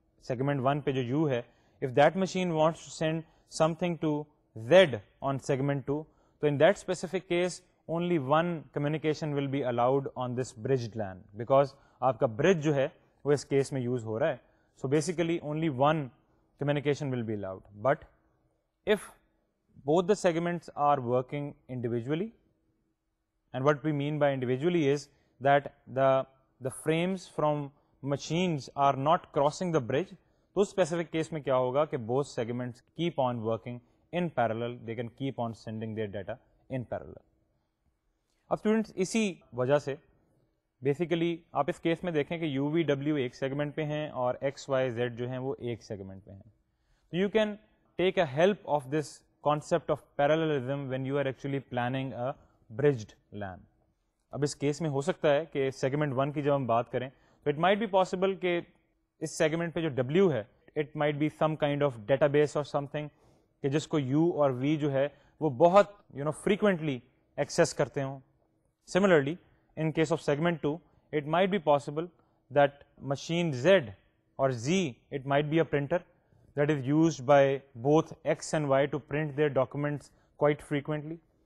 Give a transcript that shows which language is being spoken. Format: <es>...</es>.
<en>segment 1 پہ جو U ہے if that machine wants to send something to Z on segment 2 تو in that specific case only one communication will be allowed on this bridged LAN because</en> <ur>آپ کا برج جو ہے وہ اس case میں یوز ہو رہا ہے</ur> <en>So basically only one communication will be allowed but if both the segments are working individually And what we mean by individually is that the frames from machines are not crossing the bridge. So in that specific case, what will happen is that both segments keep on working in parallel. They can keep on sending their data in parallel. Now students, this is the reason. Basically, you can see that in this case, U, V, W are in one segment and X, Y, Z are in one segment. So you can take a help of this concept of parallelism when you are actually planning a bridged LAN.</en> <ur>اب اس case میں ہو سکتا ہے کہ segment 1 کی جب ہم بات کریں تو</ur> <en>it might be possible</en> <ur>کہ اس سیگمنٹ پہ جو ڈبلیو ہے</ur> <en>it might be some kind of database</en> <ur>اور سم تھنگ کہ جس کو یو اور وی جو ہے وہ بہت یو نو فریکوینٹلی ایکسیس کرتے ہوں.</ur> <en>Similarly in case of segment two it might be possible that machine Z اور Z it might be a printer that is used by both X and Y to print their documents quite frequently.</en>